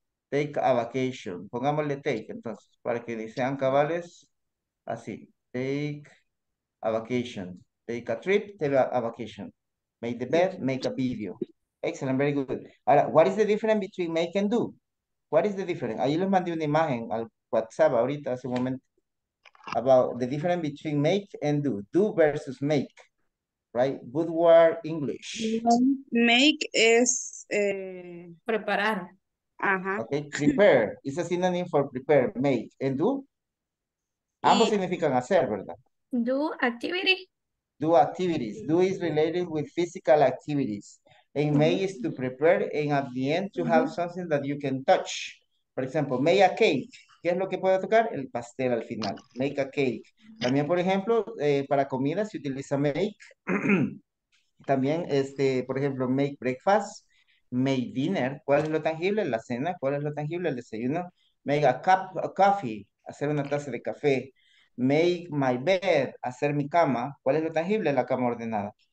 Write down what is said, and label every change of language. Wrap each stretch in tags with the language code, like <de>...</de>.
<en>Take a vacation.</en> <es>Pongámosle take, entonces, para que sean cabales, así.</es> <en>Take a vacation. Take a trip, take a vacation. Make the bed, make a video. Excellent, very good. Ahora, what is the difference between make and do? What is the difference?</en> <es>Ahí les mandé una imagen al WhatsApp ahorita, hace un momento.</es> <en>About the difference between make and do. Do versus make. Right? Good word English. Make is...</en> <es>preparar.</es> <en>Okay, prepare. It's a synonym for prepare, make, and do.</en> <es>Ambos significan hacer, ¿verdad?</es> <en>Do activity. Do activities. Do is related with physical activities. And may is to prepare, and at the end, to have something that you can touch. For example, make a cake.</en> <es>¿Qué es lo que puede tocar? El pastel al final.</es> <en>Make a cake.</en> <es>También, por ejemplo, para comida se utiliza make. También, por ejemplo,</es> <en>make breakfast. Make dinner.</en> <es>¿Cuál es lo tangible? La cena. ¿Cuál es lo tangible? El desayuno.</es> <en>Make a cup of coffee.</en> <es>Hacer una taza de café.</es> <en>Make my bed.</en> <es>Hacer mi cama. ¿Cuál es lo tangible? La cama ordenada.</es>